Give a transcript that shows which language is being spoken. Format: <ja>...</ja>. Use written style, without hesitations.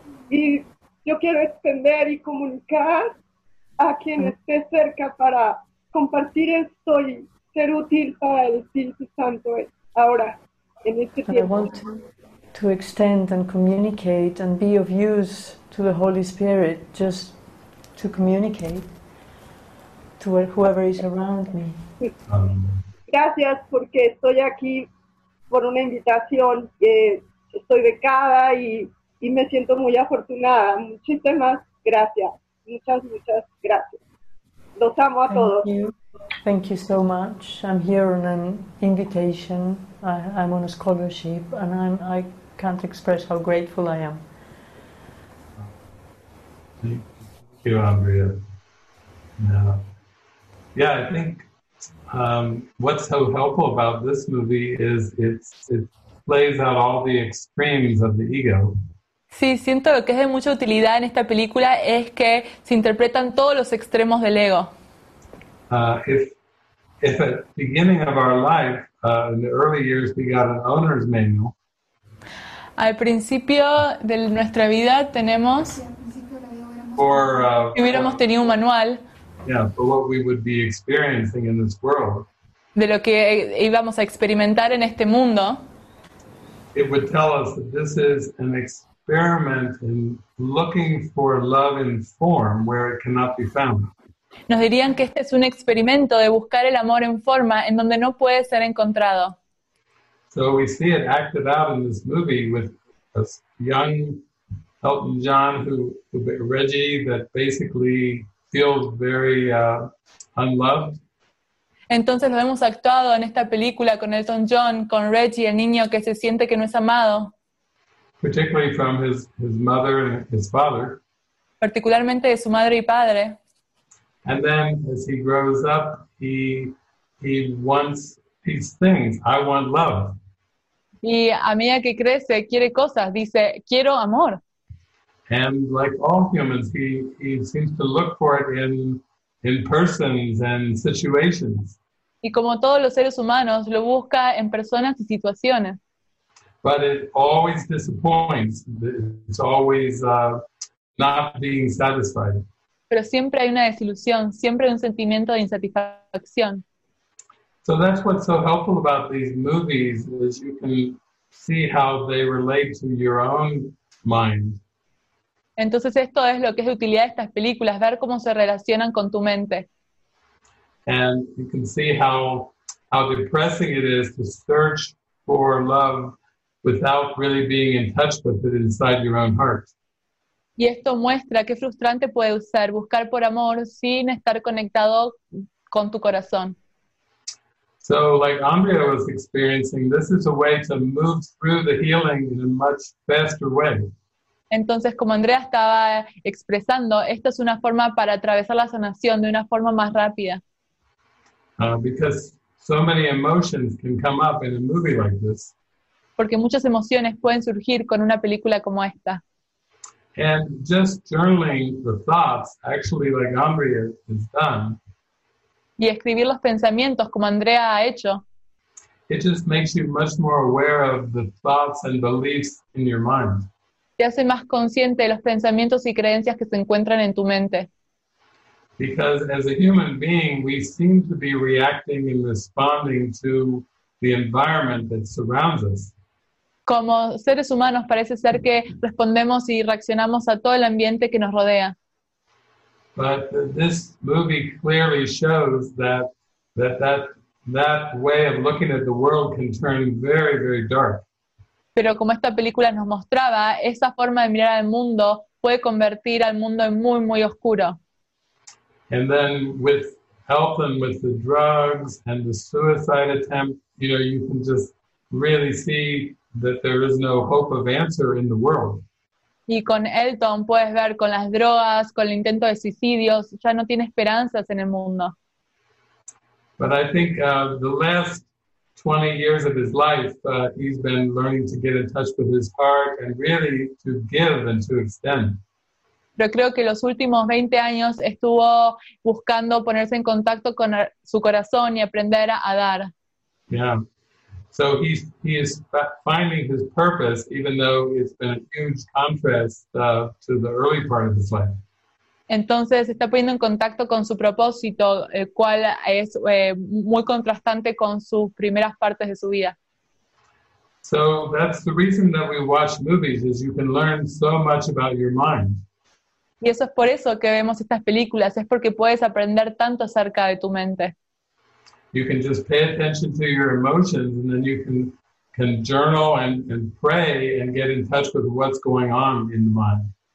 <es>Y yo quiero extender y comunicar a quien esté cerca para compartir esto y ser útil para el Espíritu Santo ahora.</es> <en>And I want to extend and communicate and be of use to the Holy Spirit, just to communicate to whoever is around me.</en> <es>Gracias porque estoy aquí por una invitación. Estoy becada y me siento muy afortunada. Muchísimas gracias. Muchas gracias. Los amo a todos.</es> <en>Thank you. Thank you so much. I'm here on an invitation. I'm on a scholarship, and I can't express how grateful I am. Thank you, Andrea. Yeah, I think what's so helpful about this movie is it plays out all the extremes of the ego.</en> <es>Sí, siento que es de mucha utilidad en esta película es que se interpretan todos los extremos del ego.</es> <en>If at the beginning of our life, in the early years, we got an owner's manual.</en> <es>Al principio de nuestra vida tenemos. Hubiéramos tenido un manual.</es> <en>Yeah, for what we would be experiencing in this world.</en> <es>De lo que íbamos a experimentar en este mundo.</es> <en>It would tell us that this is an experiment in looking for love in form where it cannot be found.</en> <es>Nos dirían que este es un experimento de buscar el amor en forma en donde no puede ser encontrado.</es> <en>So we see it acted out in this movie with a young Elton John who Reggie that basically feels very unloved.</en> <es>Entonces lo hemos actuado en esta película con Elton John, con Reggie, el niño que se siente que no es amado.</es> <en>Particularly from his mother and his father.</en> <es>Particularmente de su madre y padre.</es> <en>And then as he grows up, he wants these things. I want love.</en> <es>Y a medida que crece, quiere cosas. Dice, quiero amor.</es> <en>And like all humans, he seems to look for it in persons and situations.</en> <es>Y como todos los seres humanos, lo busca en personas y situaciones.</es> <en>But it always disappoints. It's always not being satisfied.</en> <es>pero siempre hay una desilusión, siempre hay un sentimiento de insatisfacción.</es> <en>So that's what's so helpful about these movies, is you can see how they relate to your own mind.</en> <es>Entonces esto es lo que es de utilidad de estas películas, ver cómo se relacionan con tu mente.</es> <en>And you can see how depressing it is to search for love without really being in touch with it inside your own heart.</en> <es>Y esto muestra qué frustrante puede ser buscar por amor sin estar conectado con tu corazón.</es> <en>So like Andrea was experiencing, this is a way to move through the healing in a much faster way.</en> <es>Entonces, como Andrea estaba expresando, esta es una forma para atravesar la sanación de una forma más rápida.</es> <en>Because so many emotions can come up in a movie like this.</en> <es>Porque muchas emociones pueden surgir con una película como esta.</es> <en>And just journaling the thoughts, actually like Andrea has done,</en> <es>y escribir los pensamientos como Andrea ha hecho,</es> <en>it just makes you much more aware of the thoughts and beliefs in your mind.</en> <es>Te hace más consciente de los pensamientos y creencias que se encuentran en tu mente.</es> <en>Because as a human being, we seem to be reacting and responding to the environment that surrounds us.</en> <es>Como seres humanos, parece ser que respondemos y reaccionamos a todo el ambiente que nos rodea.</es> <en>But this movie clearly shows that way of looking at the world can turn very, very dark.</en> <es>Pero como esta película nos mostraba, esa forma de mirar al mundo puede convertir al mundo en muy, muy oscuro.</es> <en>And then with help and with the drugs and the suicide attempt, you know, you can just really see that there is no hope of answer in the world.</en> <es>Y con Elton puedes ver con las drogas, con el intento de suicidios, ya no tiene esperanzas en el mundo.</es> <en>But I think the last 20 years of his life, he's been learning to get in touch with his heart and really to give and to extend.</en> <es>Pero creo que los últimos 20 años estuvo buscando ponerse en contacto con su corazón y aprender a dar.</es> <en>Yeah. So he is finding his purpose, even though it's been a huge contrast to the early part of his life.</en> <es>Entonces está poniendo en contacto con su propósito, el cual es muy contrastante con sus primeras partes de su vida.</es> <en>So that's the reason that we watch movies, is you can learn so much about your mind.</en> <es>Y eso es por eso que vemos estas películas, es porque puedes aprender tanto acerca de tu mente.</es> <en>You can just pay attention to your emotions and then you can journal and pray and get in touch with what's going on in the mind.</en>